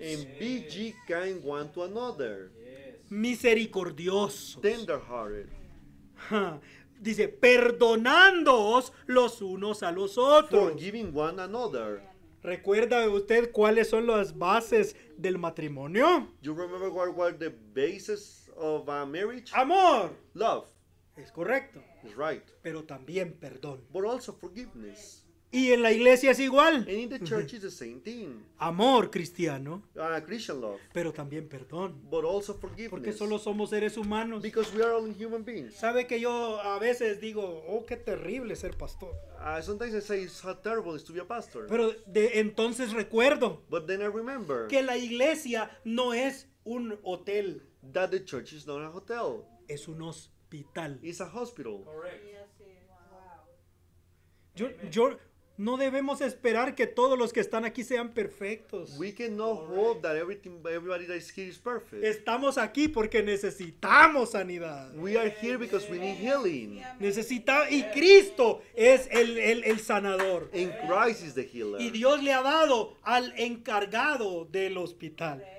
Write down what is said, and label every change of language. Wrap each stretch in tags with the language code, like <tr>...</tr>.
<en>And be ye kind one to another.</en> <es>Misericordiosos.</es> <en>Tenderhearted.</en> <es>Dice, perdonándoos los unos a los otros.</es> <en>Forgiving one another.</en> <es>¿Recuerda usted cuáles son las bases del matrimonio?</es> <en>You remember what were the bases of a marriage?</en> <es>Amor.</es> <en>Love.</en> <es>Es correcto.</es> <en>It's right.</en> <es>Pero también perdón.</es> <en>But also forgiveness.</en> <es>Y en la iglesia es igual.</es> <en>And in the church is the same thing.</en> <es>Amor cristiano.</es> <en>Christian love.</en> <es>Pero también perdón.</es> <en>But also forgiveness.</en> <es>Porque solo somos seres humanos.</es> <en>Because we are only human beings.</en> <es>Sabe que yo a veces digo, oh, qué terrible ser pastor.</es> <en>Sometimes I say it's how terrible to be a pastor.</en> <es>Pero de entonces recuerdo.</es> <en>But then I remember.</en> <es>Que la iglesia no es un hotel.</es> <en>That the church is not a hotel.</en> <es>Es un hospital.</es> <en>It's a hospital.</en> <es>Yo, no debemos esperar que todos los que están aquí sean perfectos.</es> <en>We cannot hope that everybody that is here is perfect.</en> <es>Estamos aquí porque necesitamos sanidad.</es> <en>We are here because we need healing.</en> <es>Necesitamos, y Cristo es el sanador.</es> <en>And Christ is the healer.</en> <es>Y Dios le ha dado al encargado del hospital.</es>